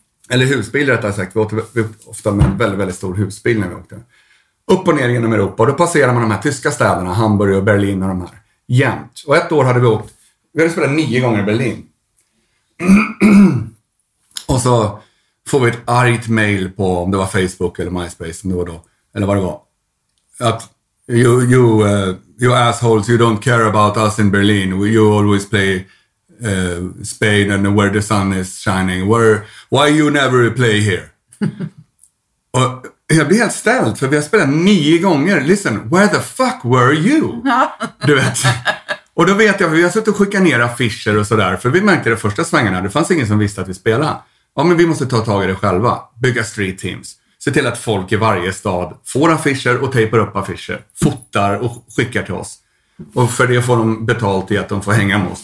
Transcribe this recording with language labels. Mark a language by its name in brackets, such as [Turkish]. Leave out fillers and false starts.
[Swedish] Eller husbil rättare sagt. Vi åkte ofta med en väldigt, väldigt stor husbil när vi åkte. Upp och ner genom Europa. Och då passerar man de här tyska städerna. Hamburg och Berlin och de här. Jämt. Och ett år hade vi åkt. Vi hade spelat 9 gånger i Berlin. Och så får vi ett argt mail på om det var Facebook eller MySpace som det var då. Eller vad det var. [English] Att you assholes, you don't care about us in Berlin. You always play Spain and where the sun is shining. Why you never play here? [Swedish] Och jag blir helt ställd, för vi har spelat 9 gånger. [English] Listen, where the fuck were you? [Swedish] Du vet. Och då vet jag, för vi har suttit och skickat ner affischer och sådär. För vi märkte det första svängarna. Det fanns ingen som visste att vi spelade. Ja, men vi måste ta tag i det själva. Bygga street teams. Se till att folk i varje stad får affischer och tejpar upp affischer. Fotar och skickar till oss. Och för det får de betalt i att de får hänga med oss.